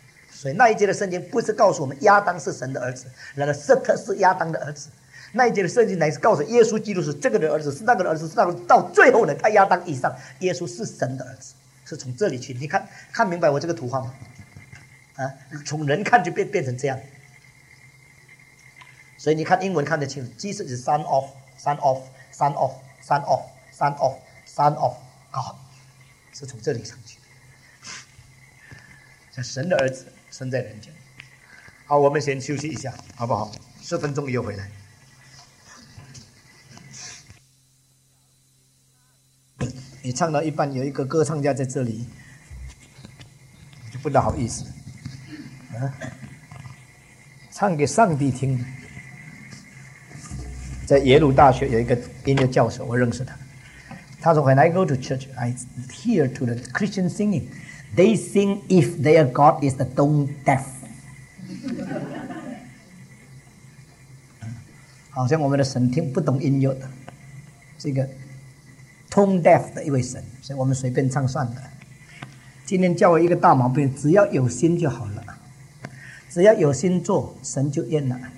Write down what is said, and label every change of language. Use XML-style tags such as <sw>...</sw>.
<zh>所以那一节的圣经不是告诉我们亚当是神的儿子，然而瑟特是亚当的儿子。那一节的圣经乃是告诉耶稣基督是这个人的儿子，是那个人的儿子，是那个人，到最后呢，他亚当以上，耶稣是神的儿子，是从这里去。你看看明白我这个图画吗？啊，从人看就变成这样。所以你看英文看得清楚</zh> <en>，Jesus is son of, son of, son of, son of, son of, son of God，</en> <zh>是从这里上去的。像神的儿子生在人间。好，我们先休息一下，好不好？十分钟又回来。你唱到一半，有一个歌唱家在这里，就不大好意思。啊，唱给上帝听的。在耶鲁大学有一个音乐教授，我认识他。他说</zh> <en>：“When I go to church, I hear to the Christian singing. They sing if their God is the tone deaf。”</en> <zh>好像我们的神听不懂音乐的，这个</zh> <en>tone deaf</en> <zh>的一位神，所以我们随便唱算了。今天教我一个大毛病，只要有心就好了，只要有心做，神就应了。</zh>